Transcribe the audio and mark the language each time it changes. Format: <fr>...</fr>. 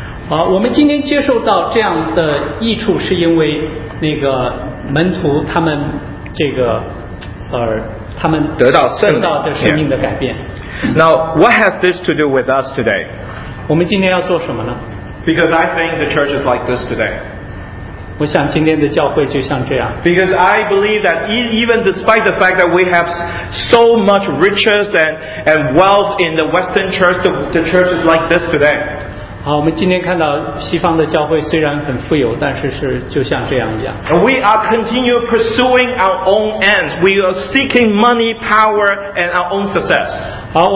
<zh>我们今天接受到这样的益处，是因为那个门徒他们这个他们得到的生命的改变。</zh> <en>Yeah. Now, what has this to do with us today?</en> <zh>我们今天要做什么呢</zh> <en>？Because I think the church is like this today.</en> <zh>我想今天的教会就像这样。</zh> <en>Because I believe that even despite the fact that we have so much riches and wealth in the Western church, the church is like this today.</en> <zh>好，我们今天看到西方的教会虽然很富有，但是是就像这样一样。</zh> <en>We are continue pursuing our own ends. We are seeking money, power, and our own success.</en>